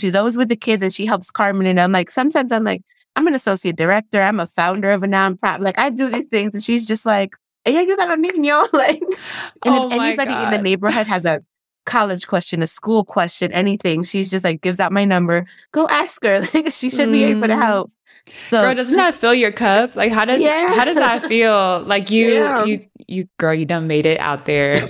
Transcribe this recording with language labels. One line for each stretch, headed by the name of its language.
English: She's always with the kids and she helps Carmen. And I'm like, sometimes I'm like, I'm an associate director. I'm a founder of a nonprofit. Like, I do these things. And she's just like,
Spanish: ella ayuda a los niños.
English: Like, and if anybody in the neighborhood has a college question, a school question, anything, she's just like, gives out my number. Go ask her. Like, she should be able to help. So, girl, doesn't that fill your cup? Like, how does that feel? Like, you, girl, you done made it out there.